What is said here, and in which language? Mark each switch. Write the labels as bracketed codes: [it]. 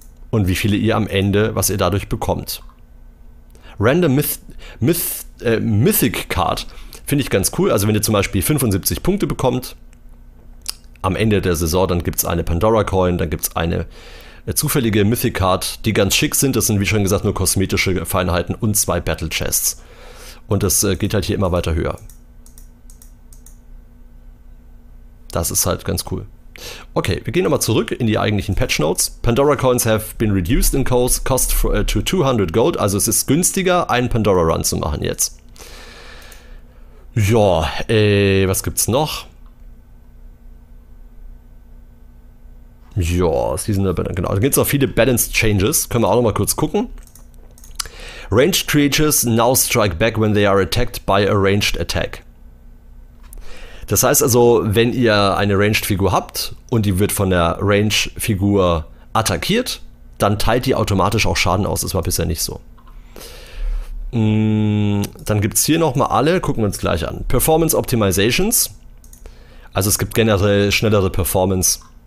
[de] Und wie viele ihr am Ende, was ihr dadurch bekommt. Random Mythic Card finde ich ganz cool. Also wenn ihr zum Beispiel 75 Punkte bekommt am Ende der Saison, dann gibt es eine Pandora Coin, dann gibt es eine zufällige Mythic Card, die ganz schick sind. Das sind, wie schon gesagt, nur kosmetische Feinheiten und zwei Battle Chests. Und das geht halt hier immer weiter höher. Das ist halt ganz cool. Okay, wir gehen nochmal zurück in die eigentlichen Patch Notes. [en] Pandora Coins have been reduced in cost for, to 200 Gold. [de] Also es ist günstiger, einen Pandora Run zu machen jetzt. Ja, was gibt's noch? Ja, Seasonal Balance, genau. Da gibt's noch viele Balance Changes. Können wir auch nochmal kurz gucken. [en] Ranged Creatures now strike back when they are attacked by a ranged attack. [de] Das heißt also, wenn ihr eine Ranged-Figur habt und die wird von der Range-Figur attackiert, dann teilt die automatisch auch Schaden aus. Das war bisher nicht so. Dann gibt es hier nochmal alle, gucken wir uns gleich an. Performance Optimizations. Also es gibt generell schnellere Performance.